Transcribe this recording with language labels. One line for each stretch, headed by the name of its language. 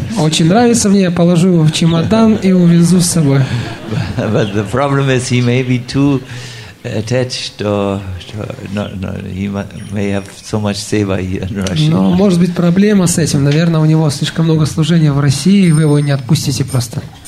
Russian: Очень нравится мне. Я положу его в чемодан и увезу с собой.
English: But the problem is he may be too attached to no, he may have so much seva here in Russia.
Russian: Но может быть проблема с этим. Наверное, у него слишком много служения в России, и вы его не отпустите просто.